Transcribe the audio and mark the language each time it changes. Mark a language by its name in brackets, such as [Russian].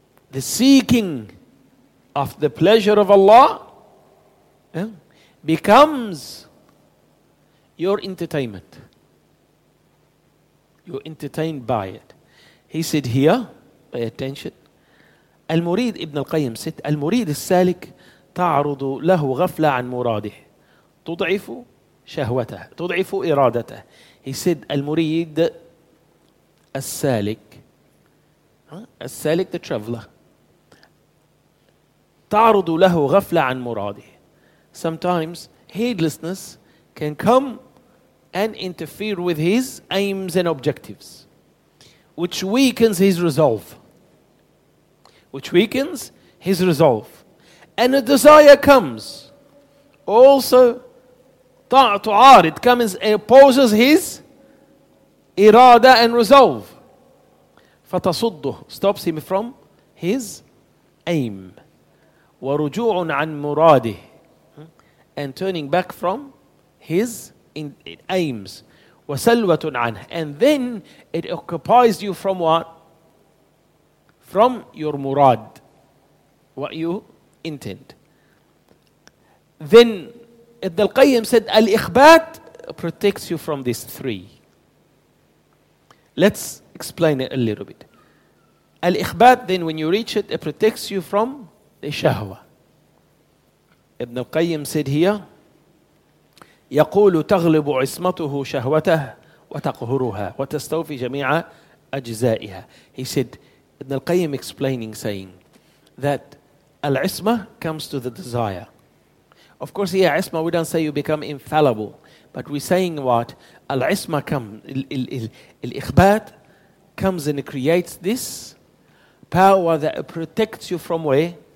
[English] The seeking of the pleasure of Allah becomes your entertainment. You're entertained by it. He said here, pay attention. [Arabic] المريد, Ibn al-Qayyim [English] said, [Arabic] المريد السالك تعرض له غفلة عن مراده تضعف شهوته، تضعف إرادته. [English] He said [Arabic] المريد السالك، السالك [English] the traveler، [Arabic] تعرض له غفلة عن مراده. [English] Sometimes heedlessness can come and interfere with his aims and objectives, which weakens his resolve. Which weakens his resolve. And a desire comes. Also, it comes and opposes his irada and resolve. [Arabic] فتصده, [English] stops him from his aim. [Arabic] ورجوع عن مراده, [English] and turning back from his aims. [Arabic] وسلوة عنه, [English] and then it occupies you from what? From your murad, what you intend. Then Ibn al-Qayyim said al-ikhbat protects you from these three. Let's explain it a little bit. Al-ikhbat, then when you reach it, it protects you from the shahwa. [Arabic] Ibn al-Qayyim [English] said here, [Arabic] يقول تغلب عصمته شهوته وتقهرها وتستوفي جميع أجزائها. [English] He said, Ibn al-Qayyim explaining, saying that al-isma comes to the desire. Of course, here isma, we don't say you become infallible, but we're saying what? Al-isma al-ikhbat comes and creates this power that protects you from where?